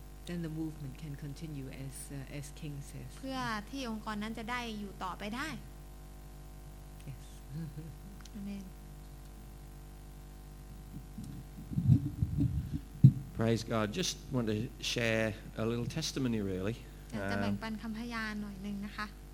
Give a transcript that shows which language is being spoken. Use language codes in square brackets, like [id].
[en] Then the movement can continue as as King says. [th] เพื่อที่องค์กรนั้นจะได้อยู่ต่อไปได้ [en] Yes. Amen. Praise God. Just want to share a little testimony, really. [th] จะแบ่งปันคำพยานหน่อยนึงนะคะ